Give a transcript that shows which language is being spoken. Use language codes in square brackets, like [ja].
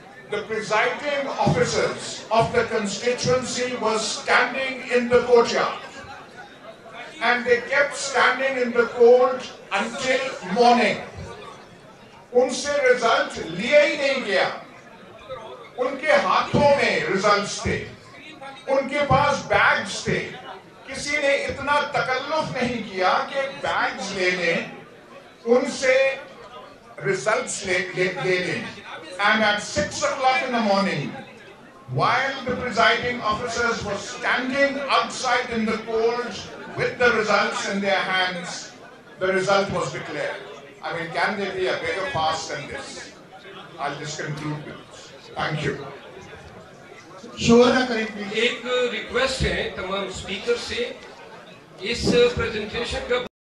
[en] The presiding officers of the constituency were standing in the courtyard and they kept standing in the cold until morning. [ur] Unse result liya hi nahi gaya. ان کے ہاتھوں میں results تھے, ان کے پاس bags تھے. کسی نے اتنا تکلف نہیں کیا کہ بیگز لے لیں, ان سے ریزلٹس لے لیں. [en] And at 6 o'clock in the morning, while the presiding officers were standing outside in the cold with the results in their hands, the result was declared. I mean, can there be a better fast than this? I'll just conclude with this. [ur] ایک request ہے تمام speaker سے, اس presentation کا